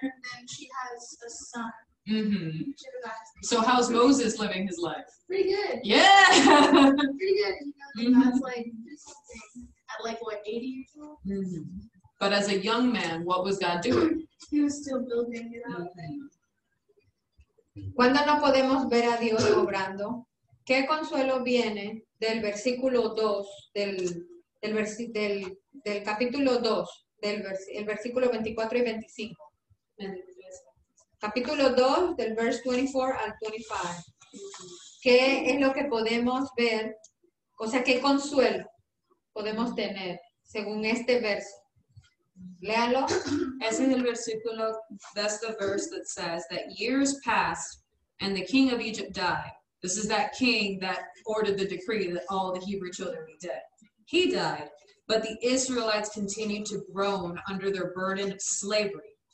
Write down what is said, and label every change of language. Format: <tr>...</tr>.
<en>And then she has a son. Mm-hmm. So how's Moses living his life? Pretty good. Yeah. Pretty good. You know, that's like at like what, 80 years old? Mm-hmm. But as a young man, what was God doing? He was still building it up. Mm-hmm.</en> <es>Cuando no podemos ver a Dios obrando, ¿qué consuelo viene del versículo 2, del capítulo 2, el versículo 24 y 25? Capítulo 2, del verse 24 al 25. ¿Qué es lo que podemos ver? O sea, ¿qué consuelo podemos tener según este verso? Léalo. Ese es el versículo,</es> <en>that's the verse that says that years passed and the king of Egypt died. This is that king that ordered the decree that all the Hebrew children be dead. He died, but the Israelites continued to groan under their burden of slavery.</en>